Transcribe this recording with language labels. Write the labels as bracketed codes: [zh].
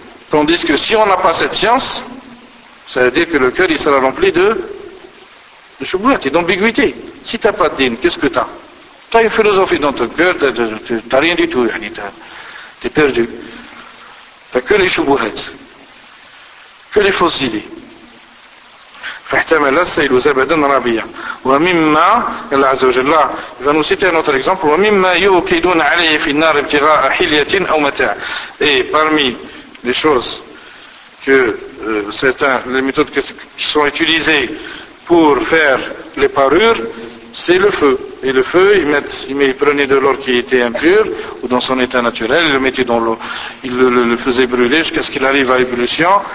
[fr] Tandis que si on n'a pas cette science, ça veut dire que le cœur il sera rempli de choubouettes et d'ambiguïté. Si tu n'as pas de dîme, qu'est-ce que tu as? Tu as une philosophie dans ton cœur, tu n'as rien du tout, tu es perdu. Tu n'as que les choubouettes. Que les fausses idées. [ar] فاحتمل السيل زبدا رابيا. ومما الله عز وجل [fr] va nous citer un autre exemple. [ar] ومما يوقدون عليه في النار ابتغاء حلية أو متاع. [fr] Et parmi les choses que les méthodes qui sont utilisées pour faire les parures, c'est le feu. Et le feu, il prenait de l'or qui était impur ou dans son état naturel, il le mettait dans l'eau, il le faisait brûler jusqu'à ce qu'il arrive à ébullition.